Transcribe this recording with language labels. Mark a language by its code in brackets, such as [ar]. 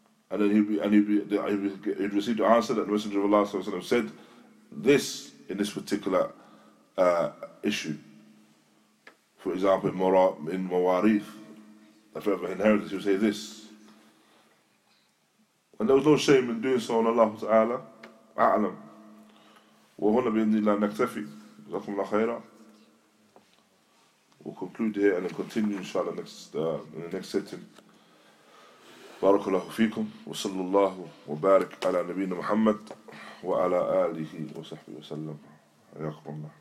[en] And then he'd receive the answer that the Messenger of Allah sallallahu alayhi wa sallam said this in this particular issue. For example, in Mawarif, the forever inheritance, he would say this. And there was no shame in doing so on Allah Ta'ala. A'lam. [ar] وهنا بإذن الله نكتفي لكم الخير. [en] We'll conclude here and then continue inshallah in the next sitting. [ar] بارك الله فيكم وصلى الله وبارك على نبينا محمد وعلى آله وصحبه وسلم. حياكم الله.